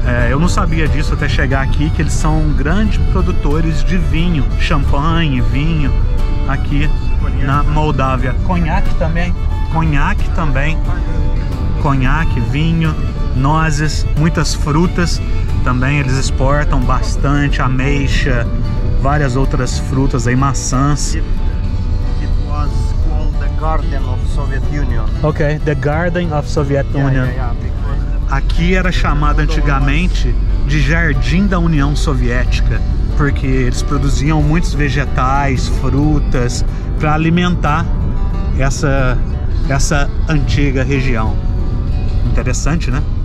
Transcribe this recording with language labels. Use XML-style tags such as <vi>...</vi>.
<pt>Eu não sabia disso até chegar aqui, que eles são grandes produtores de vinho, champanhe, vinho, aqui na Moldávia. Conhaque também. Conhaque, vinho, nozes, muitas frutas também. Eles exportam bastante ameixa, várias outras frutas aí, maçãs.</pt> <en>It was called the Garden of Soviet Union. Okay, the Garden of Soviet Union. Yeah.</en> <pt>Aqui era chamado antigamente de Jardim da União Soviética, porque eles produziam muitos vegetais, frutas, para alimentar essa antiga região. Interessante, né?</pt>